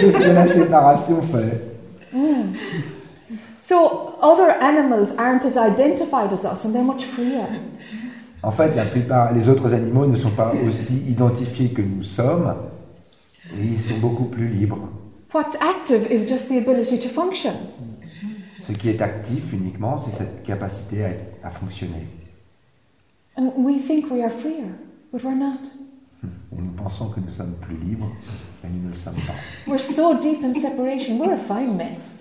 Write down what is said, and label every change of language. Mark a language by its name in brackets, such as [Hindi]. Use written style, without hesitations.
[French] C'est ce que la séparation fait. [English] So other animals aren't as identified as us, and they're much freer. [French] En fait, la plupart, les autres animaux ne sont pas aussi identifiés que nous sommes, et ils sont beaucoup plus libres. [English] What's active is just the ability to function. [French] Ce qui est actif uniquement, c'est cette capacité à fonctionner. [English] And we think we are freer, but we're not. [French] Et nous pensons que nous sommes plus libres, mais nous ne le sommes pas. [English] We're so deep in separation, we're a fine mess.